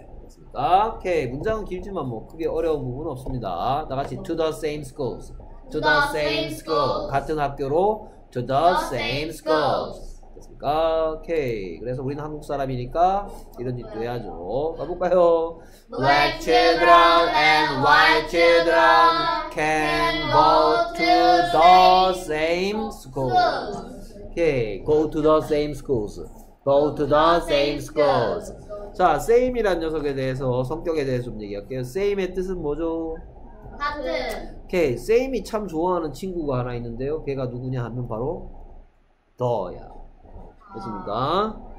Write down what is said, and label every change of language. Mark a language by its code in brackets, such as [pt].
[ko] 됐습니다. 오케이. 문장은 길지만 뭐 크게 어려운 부분은 없습니다. 다 같이 [en] to the same schools. To the same schools. [ko] 같은 학교로 [en] To the same schools. [ko] 됐습니까? 오케이. 그래서 우리는 한국 사람이니까 이런 짓도 해야죠. 가볼까요? [en] Black children and white children can go to the same schools. Okay, go to the same schools. Go to the same schools. [ko] 자, same이란 녀석에 대해서, 성격에 대해서 좀 얘기할게요. same의 뜻은 뭐죠? 같은. Okay, same이 참 좋아하는 친구가 하나 있는데요. 걔가 누구냐 하면 바로 the야. 됐습니까?